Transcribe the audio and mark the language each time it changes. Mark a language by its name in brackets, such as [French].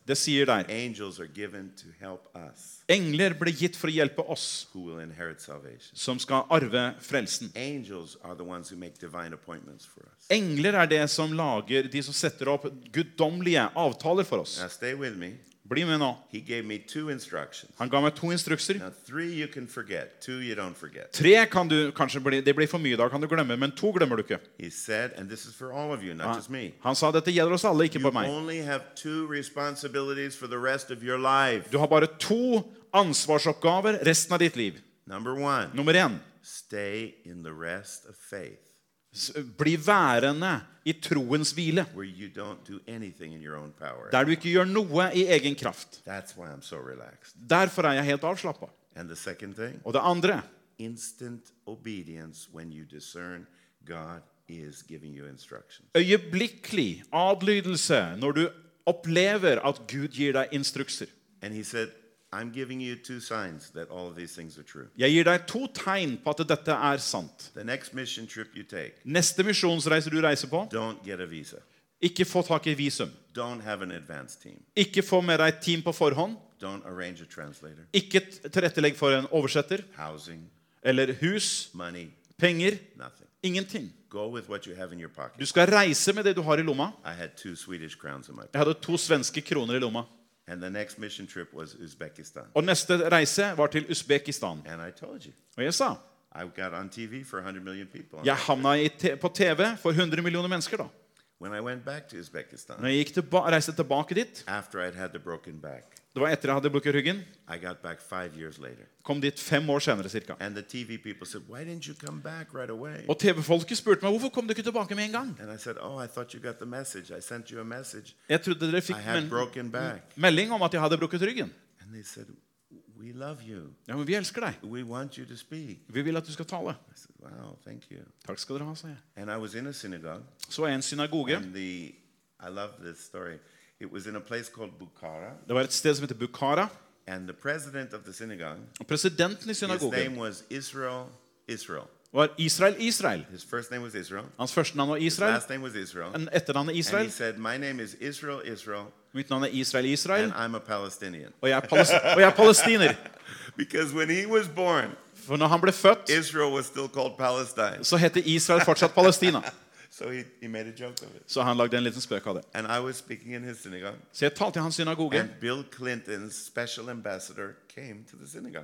[Swedish] det säger där, [English] angels are given to help us. [Swedish] Änglar blir gitt för att hjälpa oss. [English] Who will inherit salvation? [Swedish] Som ska arva frälsen. [English] Angels are the ones who make divine appointments for us. [Swedish] Änglar är det som lager, de som sätter upp gudomliga avtal för oss. [English] Now stay with me. [Norwegian] Bli med nå. [English] He gave me two instructions. [Swedish] Han gav mig två instruktioner. [English] Now three you can forget, two you don't forget. [Swedish] Tre kan du kanske bli det blir för mycket då kan du glömma men två glömmer du inte. [English] He said and this is for all of you, not just me. [Swedish] Han sa detta gäller oss alla, inte bara mig. [English] You only have two responsibilities for the rest of your life. [Swedish] Du har bara två ansvarsuppgifter resten av ditt liv. [English] Number one. [Swedish] Nummer en. [English] Stay in the rest of faith. [Norwegian] Bli værende I troens hvile. [English] Where you don't do anything in your own power. [Norwegian] Der du ikke gjør noe I egen kraft. [English] That's why I'm so relaxed. [Norwegian] Derfor jeg helt avslappet. [English] And the second thing? [Norwegian] Og det andre. [English] Instant obedience when you discern God is giving you instructions. [Norwegian] Øyeblikkelig adlydelse når du opplever at Gud gir deg instrukser. [English] And he said, I'm giving you two signs that all of these things are true. [Norwegian] Jeg gir deg to tegn på at dette sant. [English] The next mission trip you take. [Norwegian] Neste misjonsreise du reiser på. [English] Don't get a visa. [Norwegian] Ikke få tak I visum. [English] Don't have an advance team. [Norwegian] Ikke få med deg team på forhånd. [English] Don't arrange a translator. [Norwegian] Ikke tilrettelegg for en oversetter. [English] Housing. [Norwegian] Eller hus. [English] Money. [Norwegian] Penger. [English] Nothing. [Norwegian] Ingenting. [English] Go with what you have in your pocket. [Norwegian] Du skal reise med det du har I lomma. [English] I had two Swedish crowns in my pocket. [Norwegian] Jeg hadde to svenske kroner I lomma. [English] And the next mission trip was Uzbekistan. [Norwegian] Og neste reise var til Uzbekistan. [English] And I told you. [Norwegian] Og jeg sa. [English] I got on TV for 100 million people. [Norwegian] Jeg havna på TV for 100 millioner mennesker da. [English] When I went back to Uzbekistan. [Norwegian] Når jeg gikk reiste tilbake dit. [English] After I'd had the broken back. [Norwegian] Det var etter jeg hadde brukt ryggen. [English] I got back 5 years later. [Norwegian] Kom dit 5 år senere, cirka. [English] And the TV people said, "Why didn't you come back right away?" [Norwegian] Og TV-folket spurte meg, "Hvorfor kom du ikke tilbake med en gang?" [English] And I said, "Oh, I thought you got the message. I sent you a message." [Norwegian] Jeg trodde dere fikk melding om at jeg hadde brukt ryggen. [English] And they said, "We love you." [Norwegian] Ja, men vi elsker deg. [English] "We want you to speak." [Norwegian] Vi vil at du skal tale. [English] I said, "Wow, thank you." [Norwegian] Takk skal dere ha, sa jeg. [English] And I was in a synagogue. [Norwegian] Så jeg I en synagoge. [English] And the, I love this story. It was in a place called Bukhara. [Norwegian] Det var et sted som heter Bukhara. [English] And the president of the synagogue. [Norwegian] Presidenten I synagogen. [English] His name was Israel. Israel. [Norwegian] Var Israel Israel. [English] His first name was Israel. [Norwegian] Hans første navn var Israel. [English] His last name was Israel. [Norwegian] En etternavn Israel. [English] And he said, "My name is Israel Israel." [Norwegian] Mitt navn Israel Israel. [English] And I'm a Palestinian. [Norwegian] Og jeg og jeg palestiner. [English] Because when he was born. [Norwegian] For når han ble født. [English] Israel was still called Palestine. [Norwegian] Så hette Israel fortsatt Palestina. [English] So he made a joke of it. [Norwegian] Så han lagde en liten spøk av det. [English] And I was speaking in his synagogue. [Norwegian] Så jeg talte I hans synagoge. [English] And Bill Clinton's special ambassador came to the synagogue.